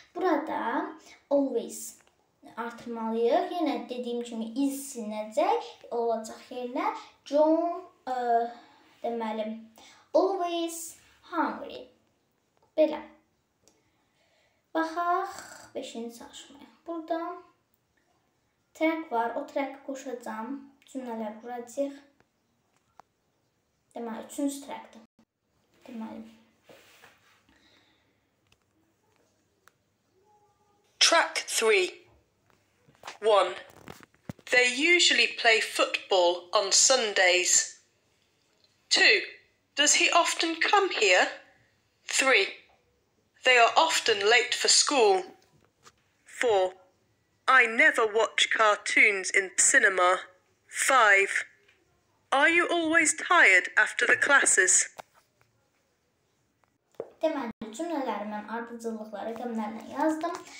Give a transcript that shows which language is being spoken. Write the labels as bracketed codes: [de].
[az] Burada always artırmalıyıq. Yenə dediyim kimi is sinəcək. Olacaq yerinə. John, deməli, [en] always hungry. [az] Belə. Baxaq 5-ci çalışmaya. Burada track var, o track-ı qoşacağım, cümlələr quracaq. Deməli, üçüncü track-dır. Deməli. [en] Track 3. 1. They usually play football on Sundays. 2. Does he often come here? 3. They are often late for school. 4. I never watch cartoons in cinema. 5. Are you always tired after the classes? [az] Deməli, cümlələri mən ardıcıllıqları qəmlərlə yazdım.